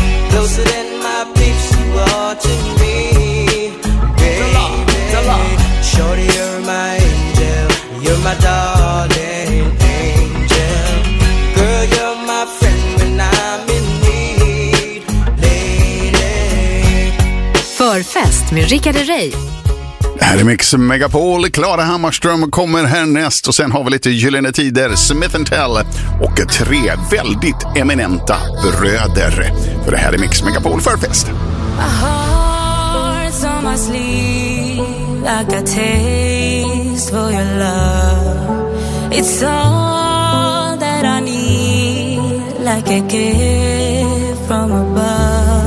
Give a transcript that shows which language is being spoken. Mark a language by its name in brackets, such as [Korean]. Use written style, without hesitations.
[English] Closer than my peeps you are to me, baby. Shorty, you're my angel, you're my darling angel. Girl, you're my friend when I'm in. [Swedish] Förfest med Rickard Rey. Här är Mix Megapol. Klara Hammarström kommer härnäst. Och sen har vi lite Gyllene Tider, Smith & Tell och tre väldigt eminenta bröder. För det här är Mix Megapol förfest. [English] My heart's on my sleeve, like a taste for your love. It's all that I need, like a gift from above.